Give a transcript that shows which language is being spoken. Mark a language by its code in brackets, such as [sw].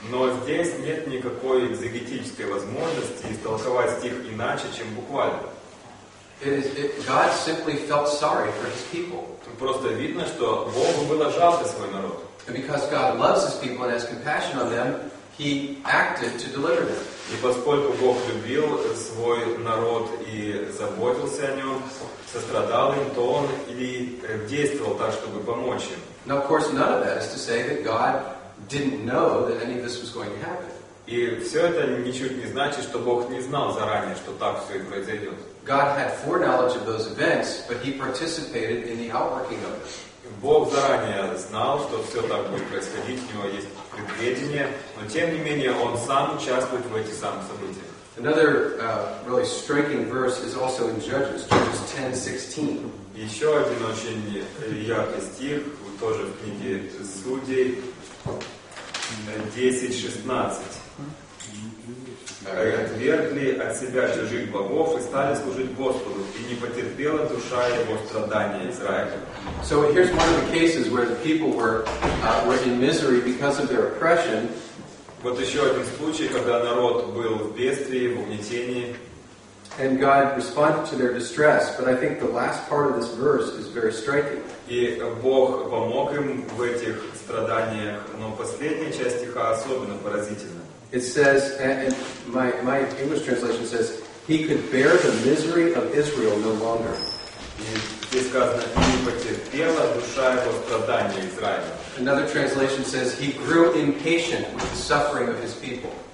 [ru] Но здесь нет никакой экзегетической возможности истолковать стих иначе, чем буквально. [en] God simply felt sorry for his people. [ru] Просто видно, что Богу было жалко свой народ. [en] And because God loves his people and has compassion on them, he acted to deliver them. [ru] И поскольку Бог любил свой народ и заботился о нем, сострадал им, то он и действовал так, чтобы помочь им. [en] Now, of course, none of that is to say that God didn't know that any of this was going to happen. [ru] И все это ничуть не значит, что Бог не знал заранее, что так все и произойдет. [en] God had foreknowledge of those events, but he participated in the outworking of them. [ru] Бог заранее знал, что все так будет происходить, у него есть предведение, но тем не менее он сам участвует в этих самых событиях. [en] Another really striking verse is also in Judges, Judges 10:16. [ru] Еще один очень яркий стих, тоже в книге Судей, 10:16. «Отвергли от себя чужих богов и стали служить Господу, и не потерпела душа его страдания Израиля». [en] So here's one of the cases where the people were in misery because of their oppression. [ru] Вот еще один случай, когда народ был в бедствии, в угнетении. [en] And God responded to their distress, but I think the last part of this verse is very striking. [ru] И Бог помог им в этих страданиях, но последняя часть стиха особенно поразительна. [en] It says, and my English translation says, he could bear the misery of Israel no longer. [ru] Здесь сказано, не потерпела душа его страдания Израиля. [en] Another translation says he grew impatient with the suffering of his people.